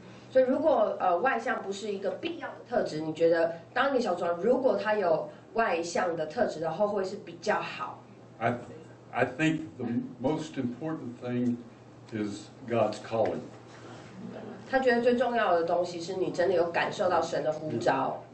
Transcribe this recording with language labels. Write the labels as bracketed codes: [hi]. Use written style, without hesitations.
[zh] 所以如果外向不是一个必要的特质，你觉得当一个小组长如果他有外向的特质的话，会是比较好？ [en] I think the most important thing is God's calling. [zh] 他觉得最重要的东西是你真的有感受到神的呼召。